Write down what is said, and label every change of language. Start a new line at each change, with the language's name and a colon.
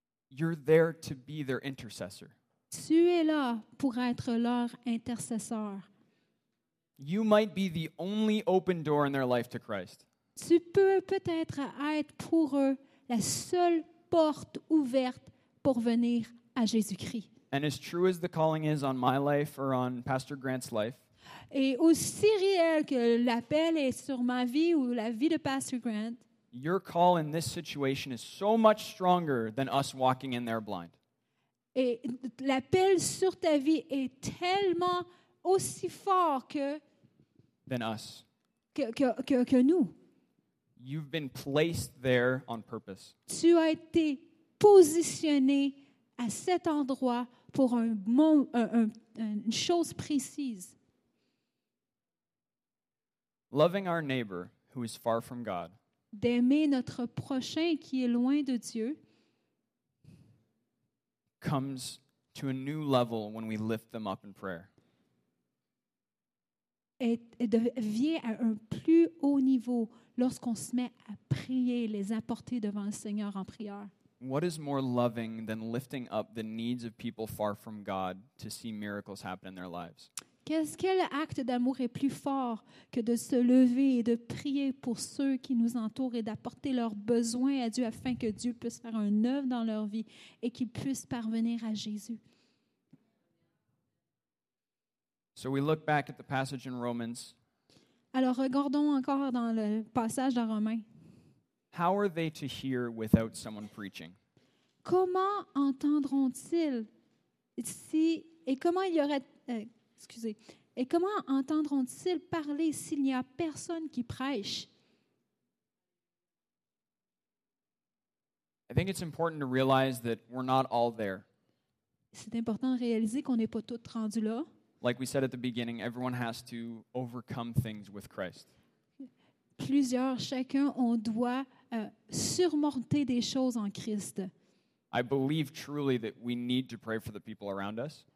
English: You're there to be their intercessor.
French: Tu es là pour être leur intercesseur.
English: You might be the only open door in their life to Christ.
French: Tu peux peut-être être pour eux la seule porte ouverte pour venir à Jésus-Christ.
English: And as true as the calling is on my life or on Pastor Grant's life.
French: Et aussi réel que l'appel est sur ma vie ou la vie de Pastor Grant.
English: Your call in this situation is so much stronger than us walking in there blind.
French: Et l'appel sur ta vie est tellement aussi fort que
English: than us.
French: Que nous.
English: You've been placed there on purpose.
French: Tu as été positionné à cet endroit pour une chose précise.
English: Loving our neighbor who is far from God.
French: D'aimer notre prochain qui est loin de Dieu.
English: Comes to a new level when we lift them up in prayer.
French: Et devient à un plus haut niveau lorsqu'on se met à prier, les apporter devant le Seigneur en prière.
English: What is more loving than lifting up the needs of people far from God to see miracles happen in their lives?
French: Quel acte d'amour est plus fort que de se lever et de prier pour ceux qui nous entourent et d'apporter leurs besoins à Dieu afin que Dieu puisse faire un œuvre dans leur vie et qu'ils puissent parvenir à Jésus?
English: So we look back at the passage in Romans.
French: Alors regardons encore dans le passage dans Romains.
English: How are they to hear without someone preaching?
French: Comment entendront-ils si et comment il y aurait excusez. Et comment entendront-ils parler s'il n'y a personne qui prêche?
English: I think it's important to realize that we're not all there.
French: C'est important de réaliser qu'on n'est pas tous rendus là.
English: Like we said at the beginning, everyone has to overcome things with Christ.
French: Plusieurs, chacun, on doit surmonter des choses en Christ.
English: I believe truly that we need to pray for the people around us.